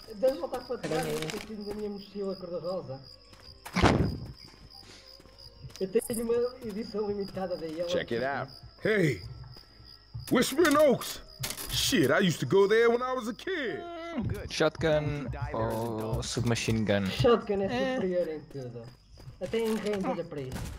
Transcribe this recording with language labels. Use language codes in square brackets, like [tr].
[pt] Deixa eu voltar para trás, eu esqueci-me da minha mochila cor-de-rosa. Eu tenho uma edição limitada da Yellow. [en] Check it out. Hey! Whispering Oaks! Shit, I used to go there when I was a kid! [pt] Shotgun ou submachine gun? Shotgun é superior em tudo. Até em range olha para isso.